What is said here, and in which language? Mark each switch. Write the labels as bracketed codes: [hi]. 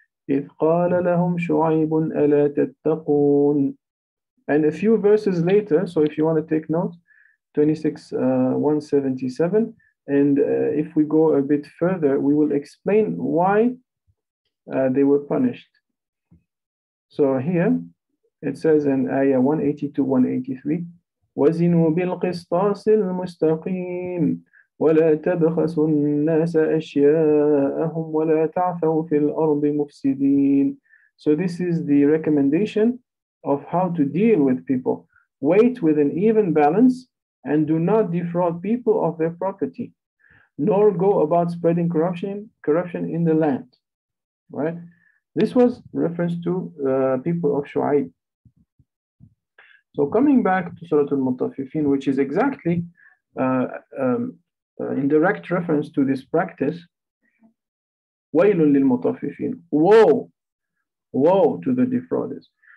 [ar] إِذْ قَالَ لَهُمْ شُعَيْبٌ أَلَا تَتَّقُونَ. [en] And a few verses later, so if you want to take note, 26, 177. And if we go a bit further, we will explain why they were punished. So here it says in ayah 182-183, [ar] وَزِنُوا بِالْقِسْطَاسِ الْمُسْتَقِيمِ وَلَا تَبْخَسُوا النَّاسَ أَشْيَاءَهُمْ وَلَا تَعْثَوْا فِي الْأَرْضِ مُفْسِدِينَ. [en] So this is the recommendation of how to deal with people. Wait with an even balance and do not defraud people of their property, nor go about spreading corruption in the land. Right? This was reference to people of Shu'aib. So coming back to Surah Al-Mutaffifin, which is exactly in direct reference to this practice, [ar] وَيْلٌ لِلْمُطَفِّفِينَ, [en] woe, woe to the defrauders.